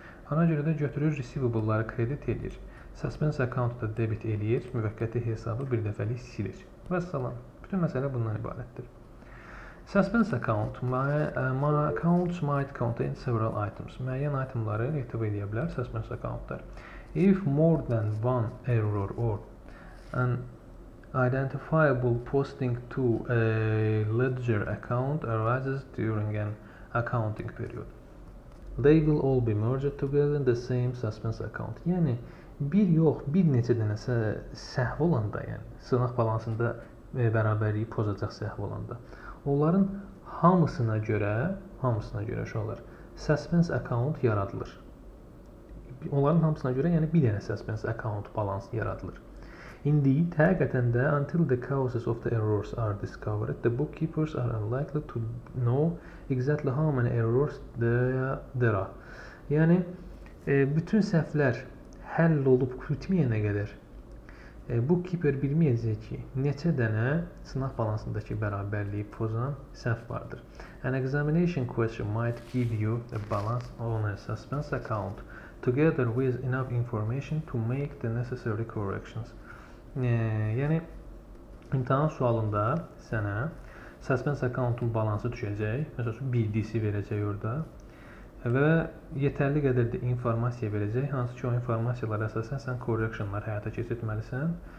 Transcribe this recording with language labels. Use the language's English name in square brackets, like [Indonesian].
[Azerbaijani] Ona görə də götürür receivable-ları kredit edir. Suspense account da debit eləyir, müvəqqəti hesabı bir dəfəlik silir. Və salam. Bütün məsələ bundan ibarətdir. Suspense account. [English] My account might contain several items. [Azerbaijani] Müəyyən itemları ehtiva edə bilər suspense accountlar. [English] If more than one error or an identifiable posting to a ledger account arises during an accounting period, they will all be merged together in the same suspense account. [Azerbaijani] Yəni, bir yox, bir neçə dənə səhv olanda, yəni sınaq balansında bərabərliyi pozacaq səhv olanda. Onların hamısına görə uşaqlar, suspense account yaradılır. Onların hamısına görə, yəni bir dənə suspense account balans yaradılır. [English] Indeed, [Azerbaijani] həqiqətən də, [English] until the causes of the errors are discovered, the bookkeepers are unlikely to know exactly how many errors there are. [Azerbaijani] Yəni, bütün səhvlər həll olub bitməyənə qədər, bookkeeper bilməyəcək ki, neçə dənə sınaq balansındakı bərabərliyi pozan səhv vardır. [English] An examination question might give you a balance on a suspense account together with enough information to make the necessary corrections. [Azerbaijani] Yəni, imtihan sualında sənə suspense accountun balansı düşəcək, məsəl üçün bildisi verəcək orada və yetərli qədər də informasiya verəcək, hansı ki o informasiyalar əsasən sən correctionlar həyata keçirtməlisən.